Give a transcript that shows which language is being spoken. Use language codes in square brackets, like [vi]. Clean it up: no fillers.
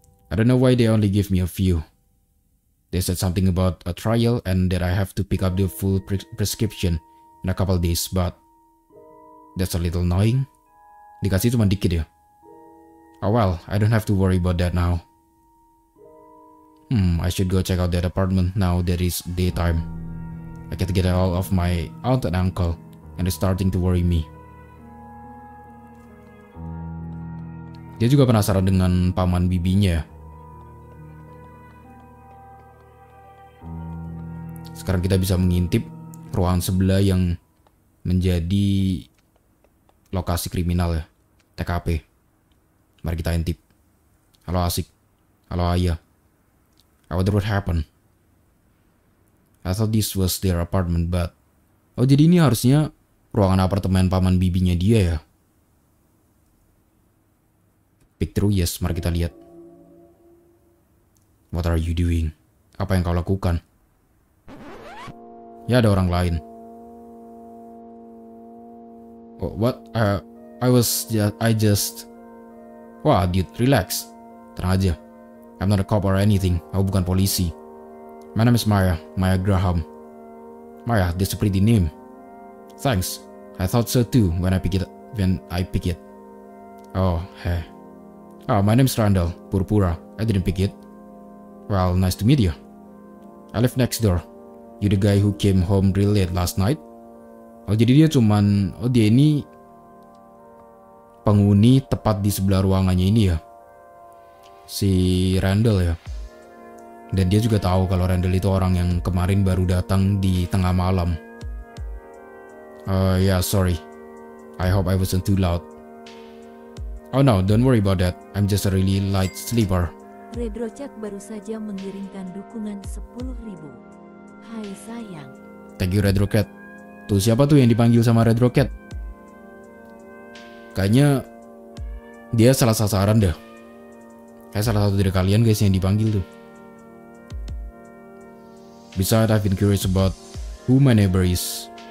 [en] I don't know why they only give me a few. They said something about a trial and that I have to pick up the full prescription in a couple days, but that's a little annoying. [id] Dikasih cuma dikit ya. [en] Oh well, I don't have to worry about that now. I should go check out that apartment now that it's daytime. I can't get all of my aunt and uncle and it's starting to worry me. [id] Dia juga penasaran dengan paman bibinya ya. Sekarang kita bisa mengintip ruangan sebelah yang menjadi lokasi kriminal ya, TKP. Mari kita intip. Halo Asik. Halo Ayah. [en] I wonder what happened. I thought this was their apartment, but... [id] Oh, jadi ini harusnya ruangan apartemen paman bibinya dia ya? [en] Pick through, yes. [id] Mari kita lihat. [en] What are you doing? [id] Apa yang kau lakukan? Ya, ada orang lain. [en] Oh, what? I just... Wah, dude, relax. [id] Tenang aja. [en] I'm not a cop or anything. [id] Aku bukan polisi. [en] My name is Maya. Maya Graham. Maya, that's a pretty name. Thanks. I thought so too when I pick it. Oh, hey. Oh, my name is Randall. Purpura. I didn't pick it. Well, nice to meet you. I live next door. You the guy who came home real late last night? [id] Oh, jadi dia cuman... Oh, dia ini... penghuni tepat di sebelah ruangannya ini ya. Si Randall ya. Dan dia juga tahu kalau Randall itu orang yang kemarin baru datang di tengah malam. [en] Yeah, sorry. I hope I wasn't too loud. Oh no, don't worry about that. I'm just a really light sleeper. [id] Redrochat baru saja mengirimkan dukungan 10.000. Hai sayang. [en] Thank you, [id] Redrochat. Tuh siapa tuh yang dipanggil sama Redrochat? Kayaknya dia salah sasaran deh. Kayak salah satu dari kalian guys yang dipanggil tuh. [en] Besides, I've been curious about who my neighbor is.